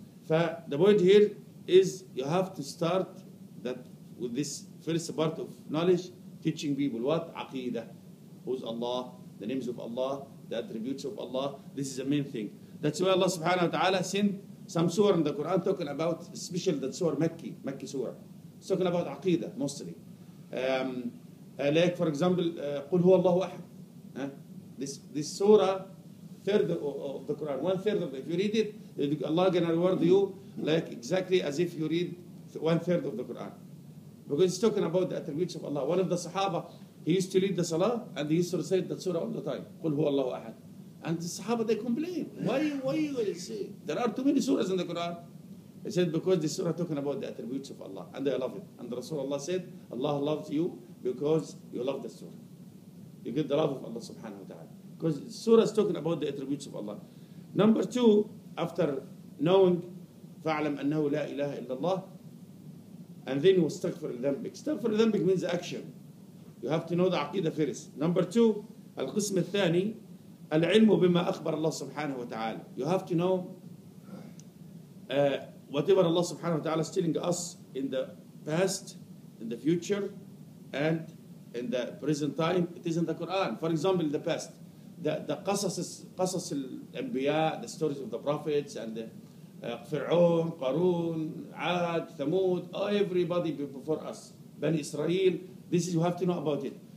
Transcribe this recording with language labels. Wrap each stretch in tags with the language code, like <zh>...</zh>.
<en>The point here is you have to start that with this first part of knowledge, teaching people what? عقيدة. Who's Allah, the names of Allah, the attributes of Allah. This is the main thing. That's why Allah subhanahu wa ta'ala sent some surah in the Quran talking about, especially that surah Makki surah. It's talking about عقيدة mostly. Like for example,</en> <ar>قل هو الله أحد.</ar> <en>This surah, third of the Quran, one third of it. If you read it, Allah gonna reward you like exactly as if you read one third of the Quran. Because it's talking about the attributes of Allah. One of the Sahaba, he used to lead the Salah and he used to recite that surah all the time.</en> <ar>قل هو الله أحد.</ar> <en>And the Sahaba, they complain. Why you gonna say? There are too many surahs in the Quran. He said, because this surah talking about the attributes of Allah. And I love it. And Rasulullah said, Allah loves you because you love the surah. You get the love of Allah subhanahu wa ta'ala. Because the surah is talking about the attributes of Allah. Number two, after knowing,</en> <ar>فَعْلَمْ أَنَّهُ لَا إِلَهَ إِلَّا اللَّهِ.</ar> <en>And then</en> <ar>وَاسْتَغْفِرِ الذَّنْبِكِ. استغفر الذَّنْبِكِ</ar> <en>means action. You have to know the عقيدة first. Number two,</en> <ar>القسم الثاني, العلم بما أخبر الله سبحانه وتعالى.</ar> <en>You have to know whatever Allah subhanahu wa ta'ala is telling us in the past, in the future, and in the present time, it is in the Quran. For example, in the past, the qasas al-anbiya, the stories of the prophets, and the Fir'aun, Qarun, Ad, Thamud, everybody before us, Bani Israel, this is, you have to know about it.</en>